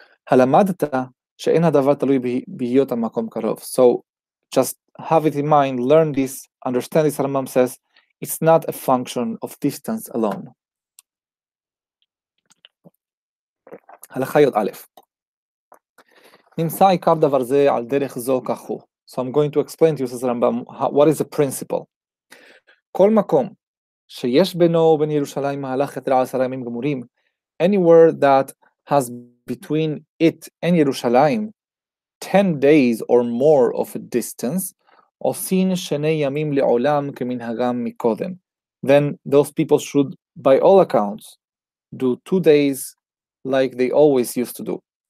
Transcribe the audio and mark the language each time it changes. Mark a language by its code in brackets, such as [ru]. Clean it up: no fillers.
[he] הלמדת שאין הדבר תלוי בהיות המקום קרוב. [en] So just have it in mind, learn this, understand this, Rambam says, it's not a function of distance alone. [he] הלכיות א', נמצא עיקר דבר זה על דרך זו כחו. [en] So I'm going to explain to you, says Rambam, what is the principle. [he] כל מקום שיש בינו ובין ירושלים מהלך יתר 10 ימים גמורים, [en] anywhere that has between it and Yerushalayim 10 days or more of a distance, [he] עושין שני ימים לעולם כמנהגם מקודם. [en] Then those people should, by all accounts, do 2 days like they always used to do.